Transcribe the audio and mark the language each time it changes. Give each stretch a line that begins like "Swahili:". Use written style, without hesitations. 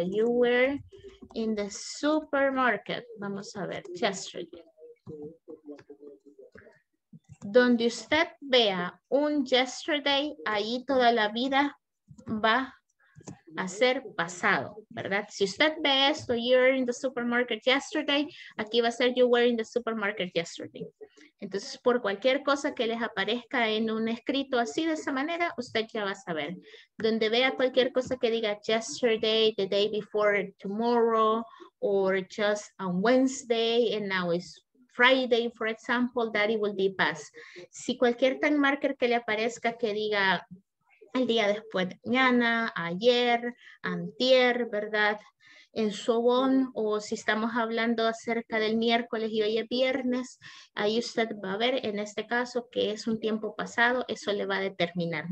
English: You were in the supermarket.
Spanish: Vamos a ver, yesterday. Donde usted vea un yesterday, ahí toda la vida va a ser pasado, ¿verdad? Si usted ve esto,
English: you were in the supermarket yesterday,
Spanish: aquí va a ser
English: you were in the supermarket yesterday.
Spanish: Entonces, por cualquier cosa que les aparezca en un escrito así de esa manera, usted ya va a saber. Donde vea cualquier cosa que diga
English: yesterday, the day before tomorrow, or just on Wednesday, and now it's Friday, for example, that it will be past.
Spanish: Si cualquier time marker que le aparezca que diga el día después de mañana, ayer, antier, ¿verdad? En so on, o si estamos hablando acerca del miércoles y hoy es viernes, ahí usted va a ver en este caso que es un tiempo pasado, eso le va a determinar.